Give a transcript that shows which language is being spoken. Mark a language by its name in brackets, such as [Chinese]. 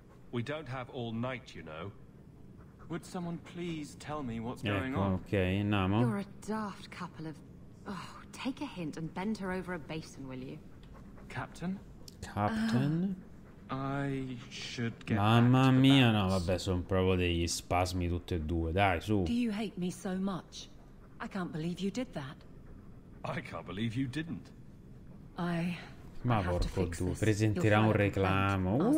[English] We don't have all night, you know. Would someone please tell me what's going on? Okay, Namo. You're a daft couple of... Oh, take a hint and bend her over a basin, will you? Captain? Captain? I should get [Italian] Mamma mia, no, vabbè, sono proprio degli spasmi tutti e due, dai, su. [English] Do you hate me so much? I can't believe you did that. I can't believe you didn't. I [Italian] Ma porco tu, presenterà un reclamo.